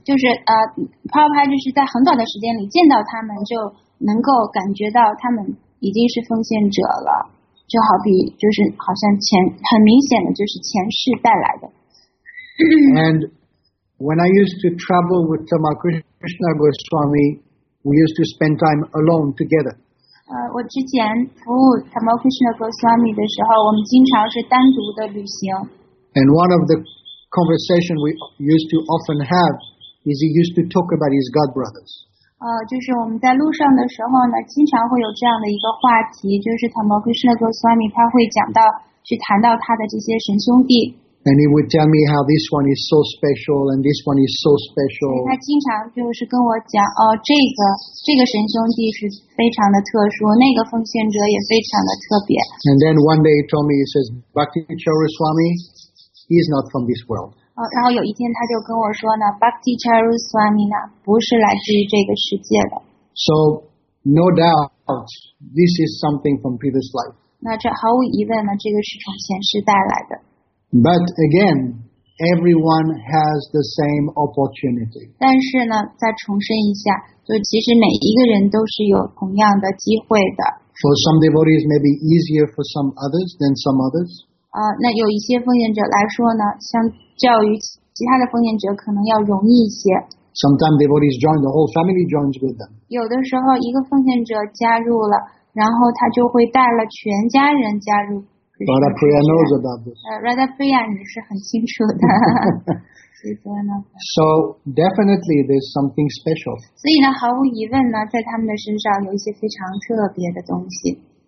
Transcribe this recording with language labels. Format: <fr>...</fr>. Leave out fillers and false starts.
<zh>就是Prabhupada 就是在很短的时间里见到他们，就能够感觉到他们已经是奉献者了，就好比就是好像前很明显的就是前世带来的。</zh> <en>And when I used to travel with Tamakrishna Goswami, we used to spend time alone together.</en> <zh>我之前服务 Tamokrishna Goswami 的时候，我们经常是单独的旅行。</zh> <en>And one of the conversation we used to often have is he used to talk about his god brothers.</en> <zh>就是我们在路上的时候呢，经常会有这样的一个话题，就是 Tamokrishna Goswami 他会讲到，去谈到他的这些神兄弟。</zh> <en>And he would tell me how this one is so special and this one is so special.</en> <zh>他经常就是跟我讲，哦，这个神兄弟是非常的特殊，那个奉献者也非常的特别。</zh> <en>And then one day he told me, he says, Bhakti Charu Swami, he is not from this world.</en> <zh>然后有一天他就跟我说呢 ，Bhakti Charu Swami 呢不是来自于这个世界的。</zh> <en>So no doubt, this is something from previous life.</en> <zh>那这毫无疑问呢，这个是从前世带来的。</zh> <en>But again, everyone has the same opportunity.</en> <zh>但是呢，再重申一下，就其实每一个人都是有同样的机会的。</zh> <en>For some devotees, maybe easier for some others than some others.</en> <zh>那有一些奉献者来说呢，相较于其他的奉献者，可能要容易一些。</zh> <en>Sometimes devotees join, the whole family joins with them.</en> <zh>有的时候，一个奉献者加入了，然后他就会带了全家人加入。</zh> <en>Radha Priya knows about this.</en> <zh>Radha Priya, 你是很清楚的。</zh> <en>So definitely, there's something special.</en> <zh>所以呢，毫无疑问呢，在他们的身上有一些非常特别的东西。</zh>